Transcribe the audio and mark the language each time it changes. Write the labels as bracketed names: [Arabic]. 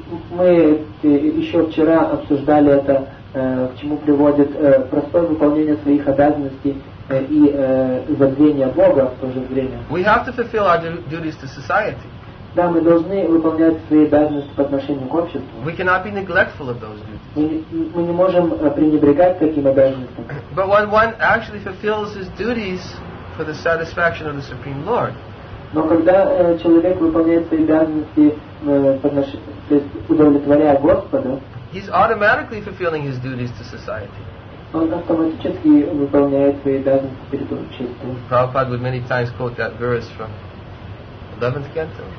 [Russian] Мы еще вчера обсуждали это, к чему приводит простое выполнение своих обязанностей и забвение Бога в то же время. [English] We have to fulfill our duties to society. [Russian] Да, мы должны выполнять свои обязанности по отношению к обществу. [English] We cannot be neglectful of those duties. [Russian] Мы не можем пренебрегать таким обязанностям. [English] But when one actually fulfills his duties for the satisfaction of the Supreme Lord. [Russian] Но когда человек выполняет свои обязанности, то есть удовлетворяя Господа, [English] he's automatically fulfilling his duties to society. [Russian] Он автоматически выполняет свои обязанности перед обществом. [English] Prabhupada would many times quote that verse from 11th canto.